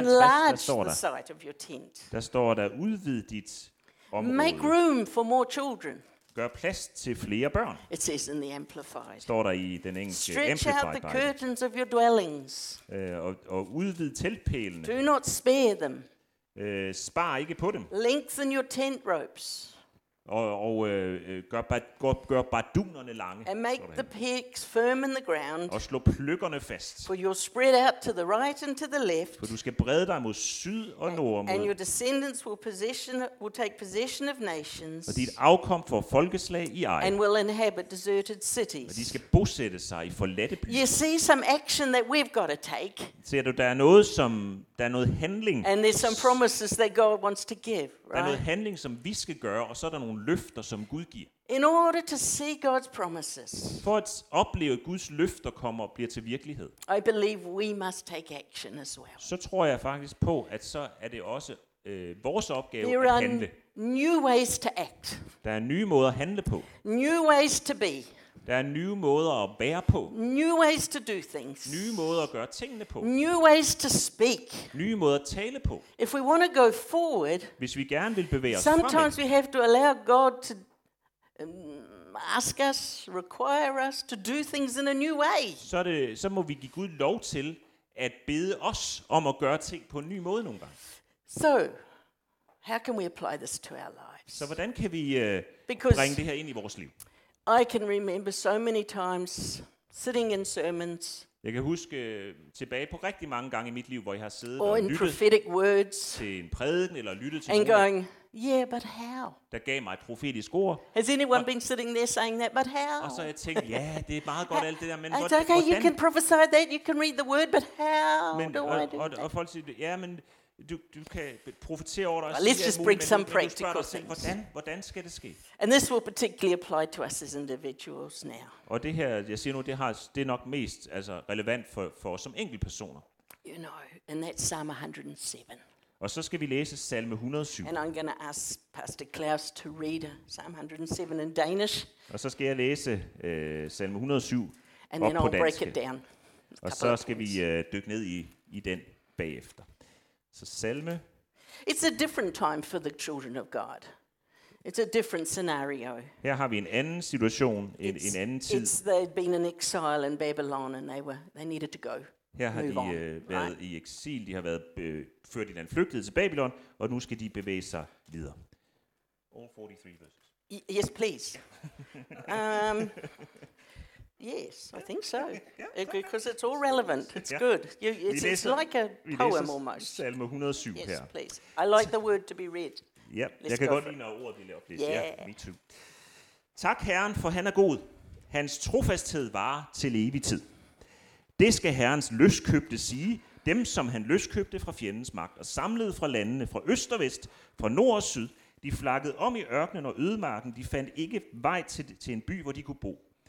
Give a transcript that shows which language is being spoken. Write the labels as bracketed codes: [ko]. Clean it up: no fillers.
[en] Enlarge the site of your tent. [da] Der står der udvid dit område. [en] Make room for more children. [da] Gør plads til flere børn. [en] It says in the Amplified. [da] Står der i den engelske [en] Stretch Amplified Bible. Stretch out the curtains of your dwellings. [da] Og udvid teltpælene. [en] Do not spare them. [da] Spar ikke på dem. [en] Lengthen your tent ropes. [da] Og gør bardunerne lange. [en] And make the peaks firm in the ground. [da] Og slå pløkkerne fast. [en] For you'll spread out to the right and to the left. [da] For du skal brede dig mod syd og nord. [en] And your descendants will take possession of nations. [da] Og dit afkom får folkeslag i ejen. [en] And will inhabit deserted cities. [da] Og de skal bosætte sig i forladte byer. [en] You see some action that we've got to take. [da] Ser du der er noget som der er noget handling. [en] And there's some promises that God wants to give, right? [da] Der er noget handling som vi skal gøre, og så er der nogle nogle løfter, som Gud giver. [en] In order to see God's promises. [da] For at opleve Guds løfter kommer og bliver til virkelighed. [en] I believe we must take action as well. [da] Så tror jeg faktisk på, at så er det også vores opgave [en] there [da] at handle. [en] New ways to act. [da] Der er nye måder at handle på. [en] New ways to be. [da] Der er nye måder at bære på. [en] New ways to do things. [da] Nye måder at gøre tingene på. [en] New ways to speak. [da] Nye måder at tale på. [en] If we want to go forward. [da] Hvis vi gerne vil bevæge os fremad. [en] Sometimes we have to allow God to ask us, require us to do things in a new way. [da] Så må vi give Gud lov til at bede os om at gøre ting på en ny måde nogle gange. [en] So, how can we apply this to our lives? [da] Så hvordan kan vi bringe det her ind i vores liv? [en] I can remember so many times sitting in sermons. [da] Jeg kan huske tilbage på rigtig mange gange i mit liv, hvor jeg har siddet og lyttet [en] prophetic words [da] til en prædiken eller lyttet til [en] and going, yeah, but how? [da] Der gav mig et profetisk ord. [en] Has anyone been sitting there saying that, but how? [da] Og så jeg tænkte, ja, det er meget godt alt det der, men [en] it's okay, you can prophesy that, you can read the word, but how? [da] Men, [en] do [da] og, [en] I do [da] og, [en] that? [da] Og folk siger, ja, men du kan profetere over dig. [en] Well, let's just bring some practical things. [da] Hvordan skal det ske? [en] And this will particularly apply to us as individuals now. [da] Og det her, jeg siger nu, det er nok mest altså relevant for os som enkeltpersoner. [en] You know, and that's Psalm 107. [da] Og så skal vi læse Salme 107. [en] And I'm going to ask Pastor Claus to read Psalm 107 in Danish. [da] Og så skal jeg læse Salme 107 [en] and then [da] op [en] I'll [da] på dansk. [en] Break it down. [da] Og så skal vi dykke ned i den bagefter. Så Salme. [en] It's a different time for the children of God. It's a different scenario. [da] Her har vi en anden situation, en anden tid. [en] It's they'd been in exile in Babylon and they needed to go. [da] Her har de været i eksil, de har været ført i den flygtede til Babylon, og nu skal de bevæge sig videre. [en] All 43 verses. Yes, please. Yes, I think so. Because it's all relevant. It's good. It's like a poem almost. [da] Salme 107 her. [en] Yes, please. I like the word to be read. [da] Ja, jeg kan godt lide, når ordet bliver oplæst. Ja, [en] me too. [da] Tak Herren, for han er god. Hans trofasthed varer til evig tid. Det skal Herrens løskøbte sige, dem som han løskøbte fra fjendens magt og samlede fra landene fra øst og vest, fra nord og syd, de flakkede om i ørkenen og ødemarken, de fandt ikke vej til en by, hvor de kunne bo.